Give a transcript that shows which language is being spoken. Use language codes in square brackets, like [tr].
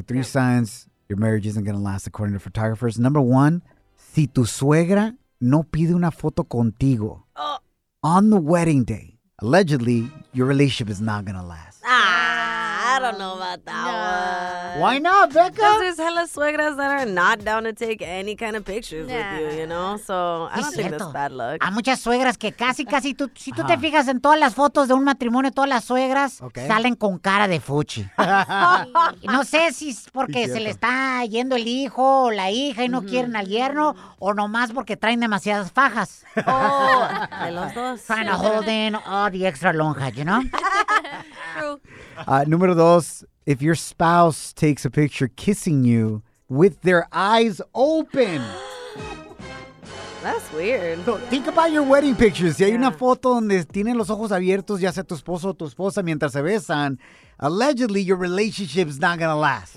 [en] Three signs your marriage isn't going to last, according to photographers. Number one, [es] si tu suegra no pide una foto contigo [en] on the wedding day, allegedly, your relationship is not going to last. I don't know about that one. Why not, Becca? Because there's hella suegras that are not down to take any kind of pictures with you, you know? So I don't think that's bad luck. [es] Hay muchas suegras que casi, tú, si tú te fijas en todas las fotos de un matrimonio, todas las suegras salen con cara de fuchi. No sé si es porque se le está yendo el hijo o la hija y no quieren al yerno, o nomás porque traen demasiadas fajas. Oh, de los dos. [en] Trying to hold in all the extra lonja, you know? [es] Número dos, [en] if your spouse takes a picture kissing you with their eyes open. That's weird. So, think about your wedding pictures. [es] Si hay una foto donde tienen los ojos abiertos, ya sea tu esposo o tu esposa, mientras se besan, [en] allegedly, your relationship is not going to last.